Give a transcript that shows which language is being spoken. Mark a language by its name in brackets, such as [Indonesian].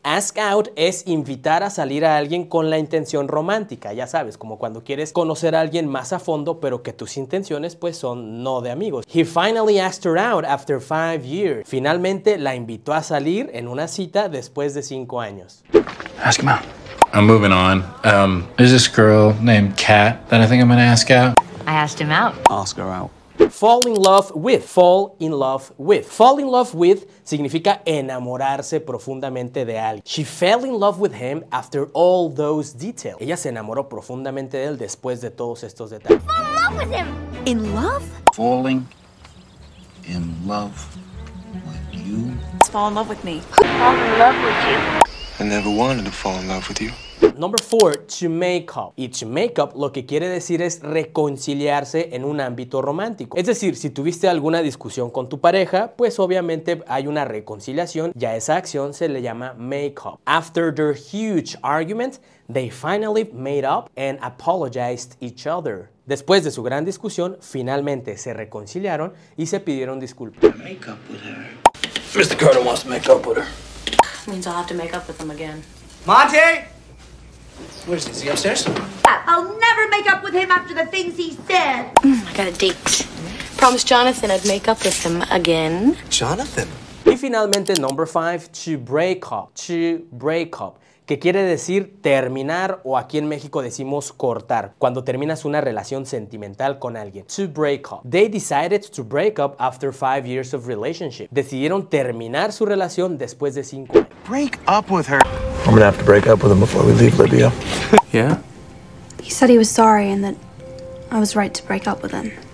[Spanish] Ask out es invitar a salir a alguien con la intención romántica. Ya sabes, como cuando quieres conocer a alguien más a fondo, pero que tus intenciones pues son no de amigos. [English] He finally asked her out after 5 years. [Spanish] Finalmente la invitó a salir en una cita después de 5 años. [English] Ask him out. I'm moving on. There's this girl named Kat that I think I'm gonna ask out. I asked him out. Ask her out. Fall in love with. Fall in love with. Fall in love with [Spanish] significa enamorarse profundamente de alguien. [English] She fell in love with him after all those details. [Spanish] Ella se enamoró profundamente de él después de todos estos detalles. [English] Fall in love with him. In love? Falling in love with you. Fall in love with me. Fall in love with you. I never wanted to fall in love with you. Number 4, to make up. [Spanish] Y to make up lo que quiere decir es reconciliarse en un ámbito romántico. Es decir, si tuviste alguna discusión con tu pareja, pues obviamente hay una reconciliación y a esa acción se le llama make up. [English] After their huge argument, they finally made up and apologized each other. [Spanish] Después de su gran discusión, finalmente se reconciliaron y se pidieron disculpas. [English] Make up with her. Mr. Carter wants to make up with her. Means I'll have to make up with him again. Monte! Where's he? Is he upstairs? Yeah, I'll never make up with him after the things he said. I got a date. Promised Jonathan I'd make up with him again. Jonathan? [Spanish] Y finalmente, [English] number 5, to break up. To break up. [Spanish] Que quiere decir terminar o aquí en México decimos cortar, cuando terminas una relación sentimental con alguien. [English] To break up. They decided to break up after 5 years of relationship. [Spanish] Decidieron terminar su relación después de 5 años. [English] Break up with her. I'm gonna have to break up with him before we leave Libya. Yeah? He said he was sorry and that I was right to break up with him.